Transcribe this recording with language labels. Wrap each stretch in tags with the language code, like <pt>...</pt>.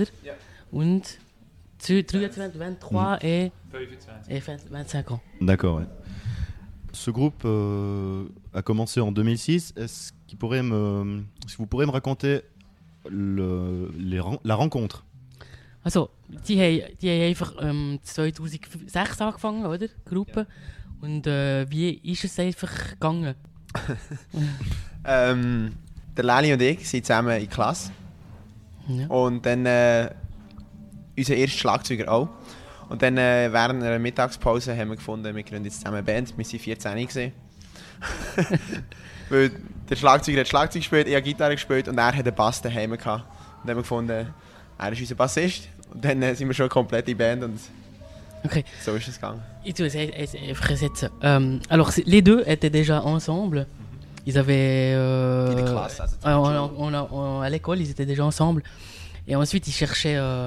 <en>Yeah.</en> <de>Und</de> <fr>23 et 25 ans. D'accord, ouais. Ce groupe a commencé en 2006. Est-ce qu'il pourrait me, si vous pourriez me raconter la rencontre?</fr> <de>Also, die haben einfach 2006 angefangen, oder? Gruppe. Yeah. Und wie ist es einfach gegangen? Der Lali und ich sind zusammen in Klasse. Ja. Und dann unser erster Schlagzeuger auch. Und dann während einer Mittagspause haben wir gefunden, wir gründen jetzt zusammen eine Band. Wir waren 14 Jahre alt. Weil der Schlagzeuger hat Schlagzeug gespielt, ich habe Gitarre gespielt und er hat einen Bass daheim gehabt. Und dann haben wir gefunden, er ist unser Bassist. Und dann sind wir schon eine komplette Band. Und okay. So ist es gegangen. Ich tue es einfach jetzt.</de> <fr>Alors, les deux étaient déjà ensemble. Ils avaient... à l'école, ils étaient déjà ensemble. Et ensuite, ils cherchaient...</fr>